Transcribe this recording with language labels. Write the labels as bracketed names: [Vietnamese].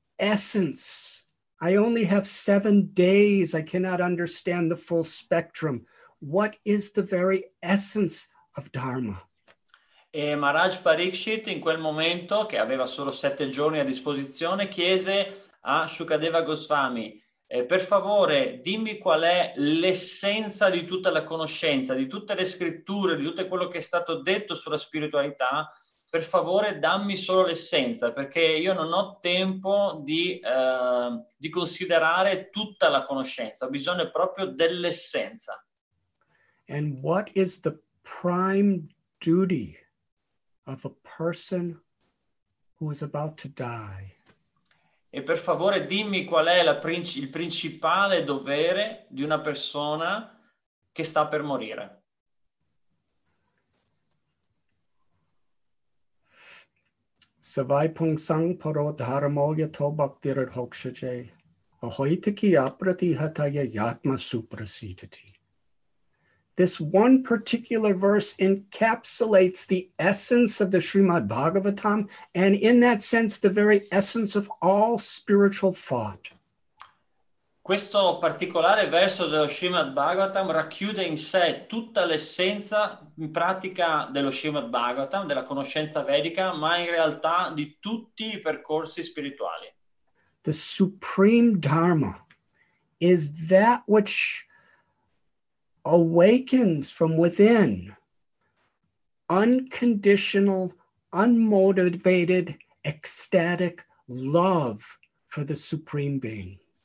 [English] essence. I only have 7 days. I cannot understand the full spectrum. What is the very essence of Dharma? [Italian] E Maharaj Parikshit, in quel momento, che aveva solo 7 giorni a disposizione, chiese a Shukadeva Goswami, per favore, dimmi qual è l'essenza di tutta la conoscenza, di tutte le scritture, di tutto quello che è stato detto sulla spiritualità, per favore dammi solo l'essenza, perché io non ho tempo di considerare tutta la conoscenza, ho bisogno proprio dell'essenza. [English] And what is the prime duty of a person who is about to die? [Italian] E per favore dimmi qual è il principale dovere di una persona che sta per morire. [Sanskrit] Savai pung sang paro dharmo yato bhaktir hokshaje ahoitiki aprati hataya yatma suprasitati. [English] This one particular verse encapsulates the essence of the Srimad Bhagavatam and in that sense the very essence of all spiritual thought. [Italian] Questo particolare verso dello Srimad Bhagavatam racchiude in sé tutta l'essenza in pratica dello Srimad Bhagavatam, della conoscenza vedica, ma in realtà di tutti i percorsi spirituali. [English] The supreme dharma is that which awakens from within, unconditional, unmotivated, ecstatic love for the Supreme Being.